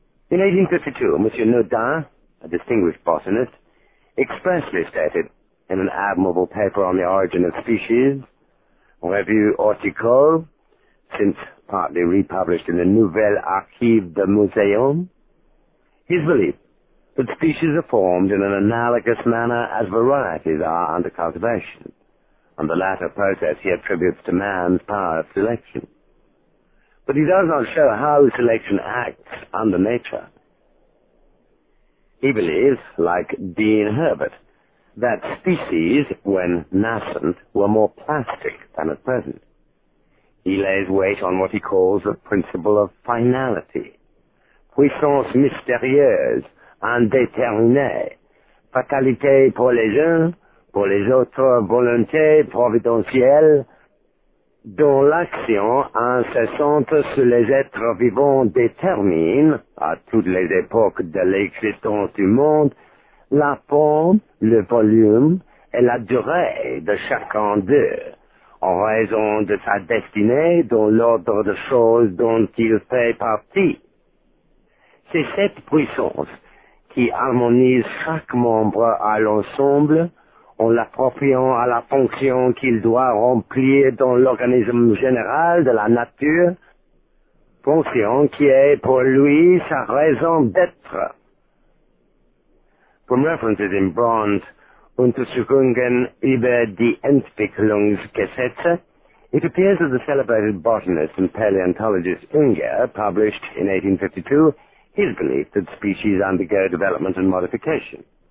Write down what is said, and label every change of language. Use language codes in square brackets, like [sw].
[en] In 1852, Monsieur Nodin, a distinguished botanist, expressly stated in an admirable paper on the origin of species, Revue Horticole, since partly republished in the Nouvelle Archive de Muséum, his belief that species are formed in an analogous manner as varieties are under cultivation, and the latter process he attributes to man's power of selection. But he does not show how selection acts under nature. He believes, like Dean Herbert, that species, when nascent, were more plastic than at present. He lays weight on what he calls the principle of finality, [fr] puissance mystérieuse, indéterminée, fatalité pour les uns, pour les autres, volonté providentielle, dont l'action incessante sur les êtres vivants détermine, à toutes les époques de l'existence du monde, la forme, le volume et la durée de chacun d'eux, en raison de sa destinée dans l'ordre de choses dont il fait partie. C'est cette puissance qui harmonise chaque membre à l'ensemble en l'appropriant à la fonction qu'il doit remplir dans l'organisme général de la nature, fonction qui est pour lui sa raison d'être. [en] From references in bronze, Untersuchungen über die Entwicklungsgesetze, it appears that the celebrated botanist and paleontologist Unger published in 1852 his belief that species undergo development and modification.